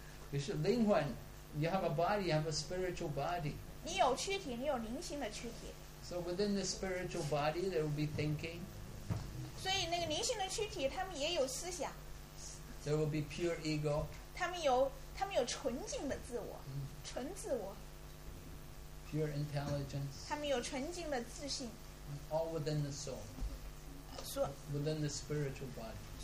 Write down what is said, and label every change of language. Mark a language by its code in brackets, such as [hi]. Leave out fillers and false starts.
[zh] 可是灵魂 [en] ，you have a body, you have a spiritual body. [zh] 你有躯体，你有灵性的躯体。 [en] So within the spiritual body, there will be thinking. [zh] 所以那个灵性的躯体，他们也有思想。 [en] There will be pure ego. [zh] 他们有纯净的自我，纯自我。 [en] Pure intelligence. [zh] 他们有纯净的自信。 [en] All within the soul. Within the spiritual body.